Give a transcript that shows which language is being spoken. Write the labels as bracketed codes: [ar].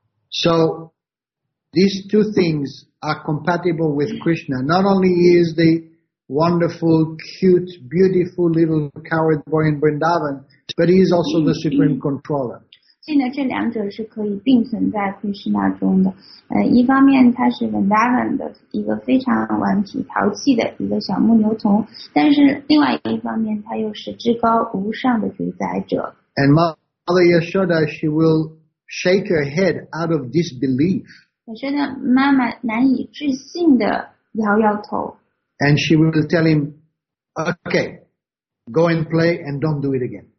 [en] So these two things are compatible with Krishna. Not only is the wonderful, cute, beautiful little coward boy in Vrindavan, but he is also the supreme controller. [zh] 所以呢，这两者是可以并存在 Krishna 中的。一方面他是 Vrindavan 的一个非常顽皮淘气的一个小牧牛童，但是另外一方面他又是至高无上的主宰者。 [en] And Mother Yashoda, she will shake her head out of disbelief. [zh] 亚瑟的妈妈难以置信地摇摇头。 [en] And she will tell him, okay, go and play and don't do it again.